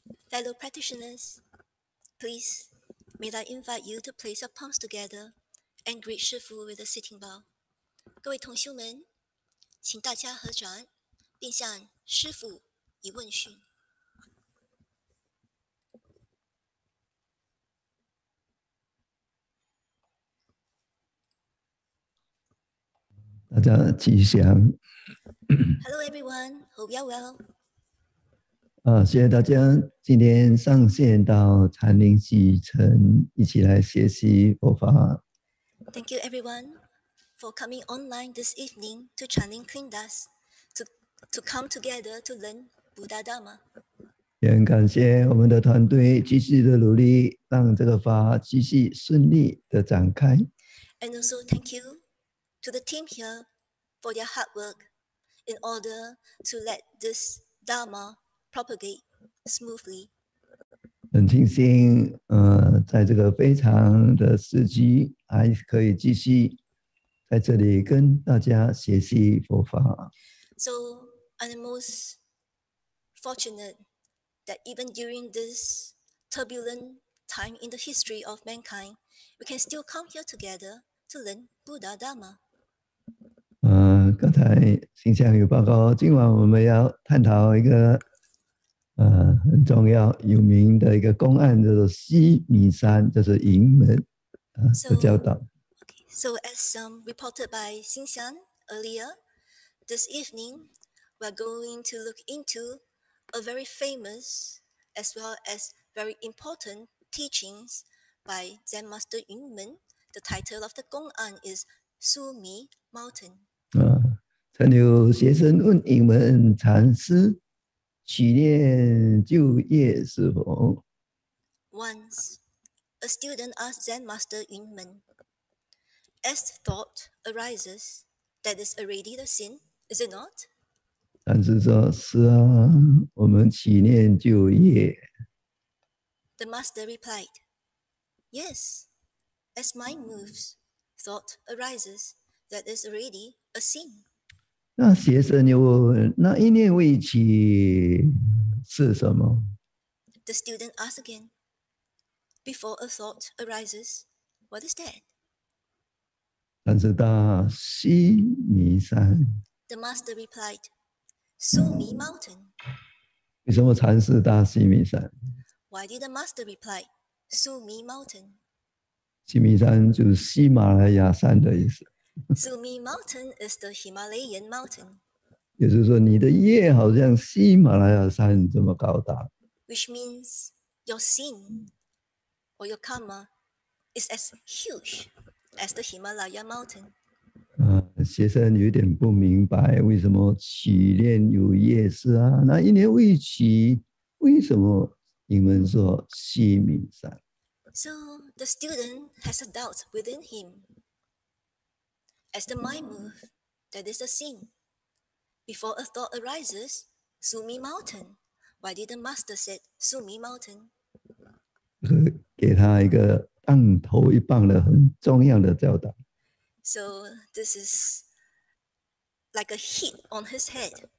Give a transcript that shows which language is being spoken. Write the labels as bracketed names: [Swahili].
[English] Fellow practitioners, please, may I invite you to place your palms together and greet Shifu with a sitting bow. [Chinese] 各位同修们，请大家合掌，并向师父一问讯。大家吉祥。 [English] Hello everyone, hope you're well. [Chinese] 谢谢大家今天上线到禅林启程，一起来学习佛法。 [English] Thank you everyone for coming online this evening to Chanting Kindas to come together to learn Buddha Dharma. [Chinese] 也很感谢我们的团队继续的努力，让这个法继续顺利的展开。 [English] And also thank you to the team here for their hard work in order to let this Dharma propagate smoothly. [Chinese] 很庆幸在这个非常的时机还可以继续在这里跟大家学习佛法。 [English] So, I'm most fortunate that even during this turbulent time in the history of mankind, we can still come here together to learn Buddha Dharma. [Chinese] 刚才新向有报告，今晚我们要探讨一个很重要有名的一个公案，就是西米山，就是营门的教导。 [English] So, as reported by Xin Xian earlier, this evening we're going to look into a very famous as well as very important teachings by Zen Master Yun Men. The title of the 公案 is Sumi Mountain. [Chinese] 曾有学生问营门禅师，取念就业是否 [English] ？Once, a student asked Zen Master Yun Men, "As thought arises, that is already the sin, is it not?" [Chinese] 禅师说：“是啊，我们取念就业。 [English] ”The master replied, "Yes, as mind moves, thought arises, that is already a sin." [Chinese] 那学生又问，那一念未起是什么 [English] ？The student asks again. Before a thought arises, what is that? [Chinese] 禅师答：须弥山。 [English] The master replied, "Sumi Mountain." [Chinese] 为什么禅师答须弥山 [English] ？Why did the master reply, "Sumi Mountain"? [Chinese] 须弥山就是喜马拉雅山的意思。 [English] Sumi Mountain is the Himalayan mountain. [Chinese] 也就是说，你的业好像喜马拉雅山这么高大。 Which means your sin or your karma is as huge as the Himalaya mountain. 学生有点不明白，为什么起念有业是啊？那一念未起，为什么你们说西米山 [English] ？So the student has a doubt within him. As the mind moves, that is a sin. Before a thought arises, Sumi Mountain. Why did the master say Sumi Mountain? [Chinese] 给他一个当头一棒的很重要的教导。 [English] So this is like a hit on his head.